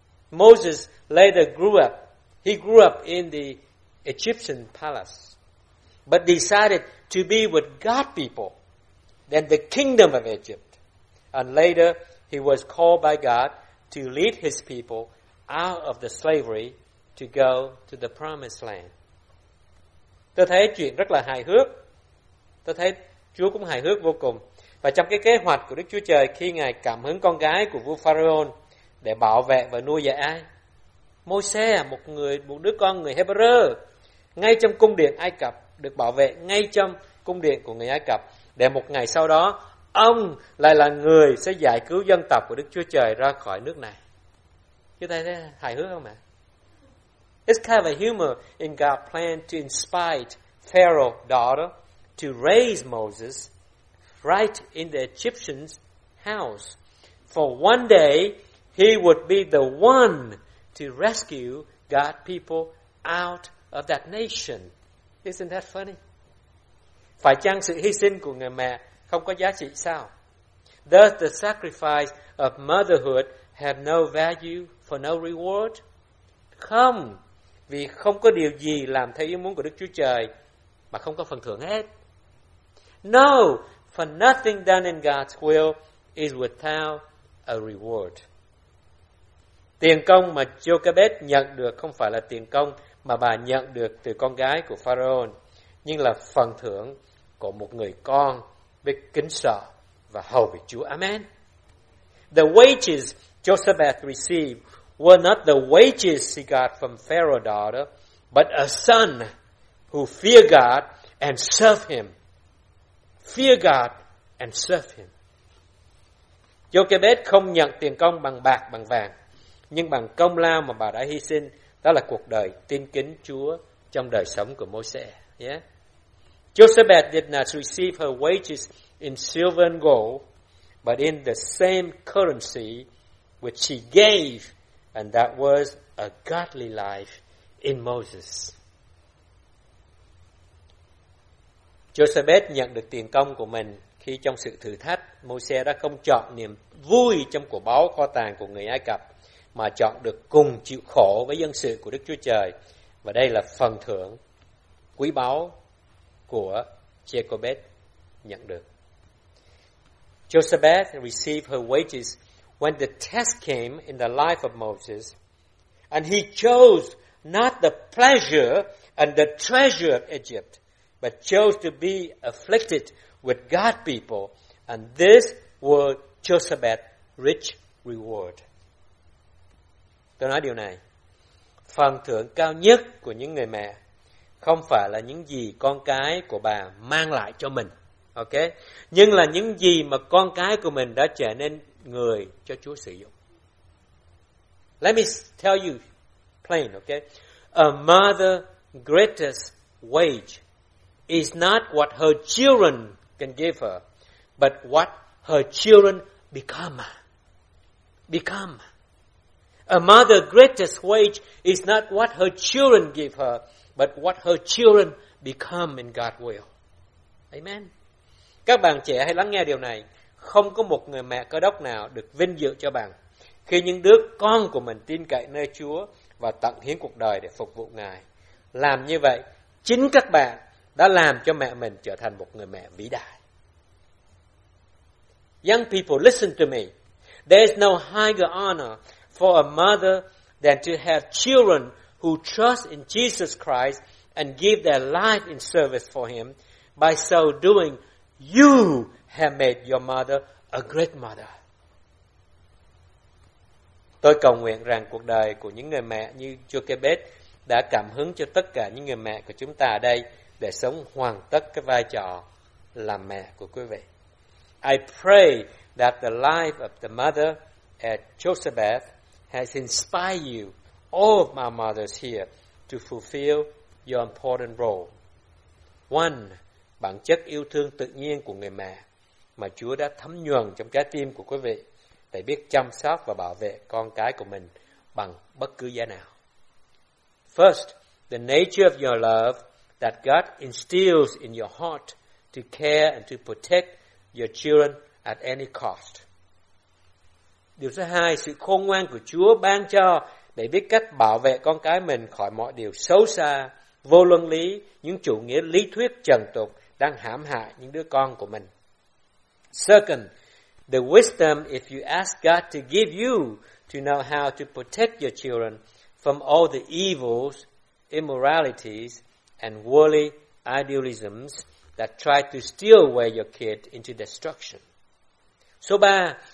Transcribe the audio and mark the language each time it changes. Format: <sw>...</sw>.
<en>Moses later grew up. He grew up in the Egyptian palace, but decided to be with God's people, then the kingdom of Egypt. And later, he was called by God to lead his people out of the slavery to go to the promised land.</en> <vi>Tôi thấy chuyện rất là hài hước. Tôi thấy Chúa cũng hài hước vô cùng. Và trong cái kế hoạch của Đức Chúa Trời khi Ngài cảm hứng con gái của vua Pharaoh để bảo vệ và nuôi dạy ai? Môi-se, một đứa con người Hebrew, ngay trong cung điện Ai Cập, được bảo vệ ngay trong cung điện của người Ai Cập, để một ngày sau đó ông lại là người sẽ giải cứu dân tộc của Đức Chúa Trời ra khỏi nước này. Chứ thấy thế hài hước không ạ?</vi> <en>It's kind of a humor in God's plan to inspire Pharaoh's daughter to raise Moses right in the Egyptian's house. For one day, he would be the one to rescue God's people out of that nation. Isn't that funny?</en> <vi>Phải chăng sự hy sinh của người mẹ không có giá trị sao?</vi> <en>Does the sacrifice of motherhood have no value for no reward?</en> <vi>Không, vì không có điều gì làm theo ý muốn của Đức Chúa Trời mà không có phần thưởng hết.</vi> <en>No, for nothing done in God's will is without a reward.</en> <vi>Tiền công mà Jochebed nhận được không phải là tiền công mà bà nhận được từ con gái của Pharaoh, nhưng là phần thưởng của một người con biết kính sợ và hầu việc Chúa.</vi> <en>Amen. The wages Jochebed received were not the wages he got from Pharaoh's daughter, but a son who feared God and served him. Fear God and serve him.</en> <vi>Jochebed không nhận tiền công bằng bạc, bằng vàng, nhưng bằng công lao mà bà đã hy sinh, đó là cuộc đời tin kính Chúa trong đời sống của Moses.</vi> <en>Yeah? Jochebed did not receive her wages in silver and gold, but in the same currency which she gave, and that was a godly life in Moses.</en> <vi>Jochebed nhận được tiền công của mình khi trong sự thử thách, Moses đã không chọn niềm vui trong của báu kho tàng của người Ai Cập, mà chọn được cùng chịu khổ với dân sự của Đức Chúa Trời. Và đây là phần thưởng quý báu của Jochebed nhận được.</vi> <en>Jochebed received her wages when the test came in the life of Moses, and he chose not the pleasure and the treasure of Egypt, but chose to be afflicted with God's people, and this was Jochebed's rich reward.</en> <vi>Tôi nói điều này, phần thưởng cao nhất của những người mẹ không phải là những gì con cái của bà mang lại cho mình, ok? Nhưng là những gì mà con cái của mình đã trở nên người cho Chúa sử dụng.</vi> <en>Let me tell you plain, okay? A mother's greatest wage is not what her children can give her, but what her children become. Become. A mother's greatest wage is not what her children give her, but what her children become in God's will. Amen.</en> <vi>Các bạn trẻ hãy lắng nghe điều này. Không có một người mẹ cơ đốc nào được vinh dự cho bằng khi những đứa con của mình tin cậy nơi Chúa và tận hiến cuộc đời để phục vụ Ngài. Làm như vậy, chính các bạn đã làm cho mẹ mình trở thành một người mẹ vĩ đại.</vi> <en>Young people, listen to me. There is no higher honor for a mother than to have children who trust in Jesus Christ and give their life in service for Him. By so doing, you have made your mother a great mother.</en> <vi>Tôi cầu nguyện rằng cuộc đời của những người mẹ như Jochebed đã cảm hứng cho tất cả những người mẹ của chúng ta ở đây để sống hoàn tất cái vai trò làm mẹ của quý vị.</vi> <en>I pray that the life of the mother at Jochebed has inspired you, all of my mothers here, to fulfill your important role.</en> <vi>One, bản chất yêu thương tự nhiên của người mẹ mà Chúa đã thấm nhuần trong trái tim của quý vị để biết chăm sóc và bảo vệ con cái của mình bằng bất cứ giá nào.</vi> <en>First, the nature of your love that God instills in your heart to care and to protect your children at any cost.</en> <vi>Điều thứ hai, sự khôn ngoan của Chúa ban cho để biết cách bảo vệ con cái mình khỏi mọi điều xấu xa, vô luân lý, những chủ nghĩa lý thuyết trần tục đang hãm hại những đứa con của mình.</vi> <en>Second, the wisdom if you ask God to give you to know how to protect your children from all the evils, immoralities, and worldly idealisms that try to steal away your kid into destruction. So, 3,</en>